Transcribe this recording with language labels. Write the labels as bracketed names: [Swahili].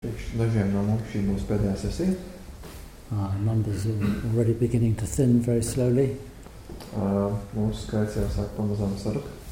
[Latvian] dažiem no mums šī mūsu pēdējā sesija. [English] Numbers are already beginning to thin very slowly. [Latvian] Mums skaits jau sāk pamazām sarukt.